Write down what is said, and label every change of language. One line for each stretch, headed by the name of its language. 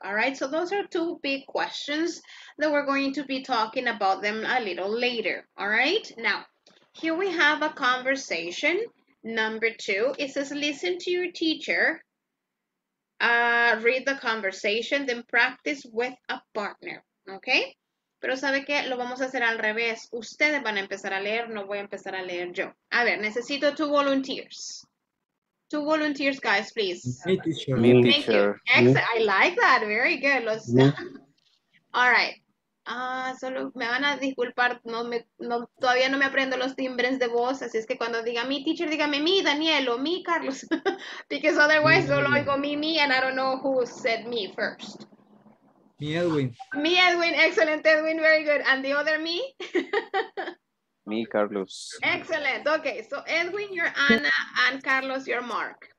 English: All right, so those are two big questions that we're going to be talking about them a little later. All right, now. Here we have a conversation. Number 2, it says, listen to your teacher read the conversation, then practice with a partner, okay?
Spanish: Pero ¿sabe qué? Lo vamos a hacer al revés. Ustedes van a empezar a leer, no voy a empezar a leer yo. A ver, necesito
English: 2 volunteers. 2 volunteers, guys, please. Me, teacher. Me, teacher. Excellent. I like that. Very good. Los... All right.
Spanish: Solo me van a disculpar. Todavía no me aprendo los timbres de voz. Así es que cuando diga mi teacher, dígame mi Daniel o mi Carlos.
English: Because otherwise,
Spanish: solo oigo mi,
English: and I don't know who said me first.
Spanish: Mi Edwin.
English: Mi Edwin. Excellent, Edwin. Very good. And the other me? Me, Carlos. Excellent. Okay, so Edwin, you're Anna, and Carlos, you're Mark.